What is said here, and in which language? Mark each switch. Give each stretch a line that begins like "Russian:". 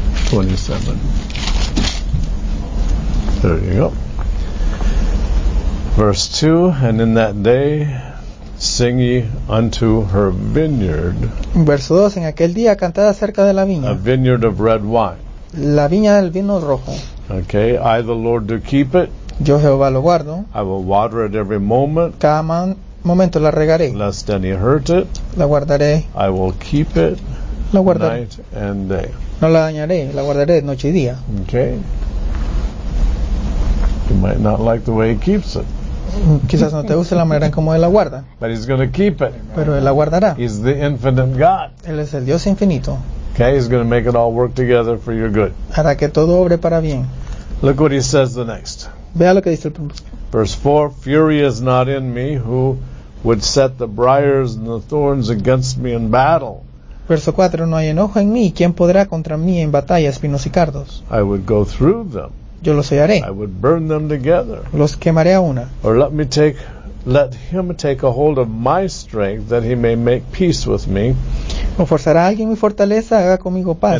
English: 27. There you go. Verse 2, and in that day sing ye unto her vineyard.
Spanish: Verso 2, en aquel día cantad acerca de la viña.
English: A vineyard of red wine.
Spanish: La viña del vino rojo.
English: Okay, I the Lord do keep it.
Spanish: Yo Jehová lo guardo.
English: I will water it every moment.
Spanish: Cada momento la regaré.
English: Lest any hurt it.
Spanish: La guardaré.
English: I will keep it.
Spanish: La guardaré.
English: Night and day.
Spanish: No la dañaré. La guardaré noche y día. Okay.
English: You might not like the way he keeps it.
Spanish: Quizás no te guste la manera en cómo él la guarda.
English: But he's going to keep it.
Spanish: Pero él la guardará.
English: He's the infinite God.
Spanish: Él es el Dios infinito.
English: Okay. He's going to make it all work together for your good.
Spanish: Hará que todo obre para bien.
English: Look what he says the next.
Spanish: Vea lo que dice el...
English: Verse 4, fury is not in me, who would set the briars and the thorns against me in battle.
Spanish: Verso 4, no hay enojo en mí, ¿quién podrá contra mí en batalla, espinos y cardos?
English: I would go through them.
Spanish: Yo los sellaré.
English: I would burn them together.
Spanish: Los quemaré a una.
English: Or let him take a hold of my strength, that he may make peace with me.
Spanish: O forzará a alguien mi fortaleza, haga conmigo paz.